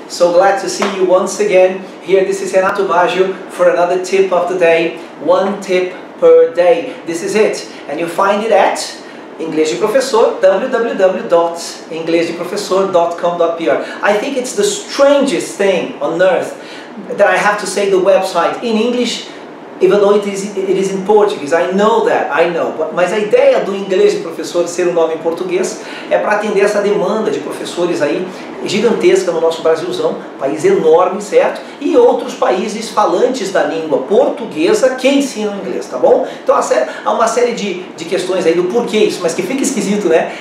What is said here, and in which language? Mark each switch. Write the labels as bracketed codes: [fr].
[en] So glad to see you once again. Here, this is Renato Baggio for another tip of the day. One tip per day. This is it. And you find it at Inglês de Professor, www.inglesdeprofessor.com.br. I think it's the strangest thing on earth that I have to say the website in English, even though it is in Portuguese. I know that, I know. [pt] Mas a ideia do Inglês de Professor ser um nome em português é para atender essa demanda de professores aí gigantesca no nosso Brasilzão, país enorme, certo? E outros países falantes da língua portuguesa que ensinam inglês, tá bom? Então há uma série de questões aí do porquê isso, mas que fica esquisito, né?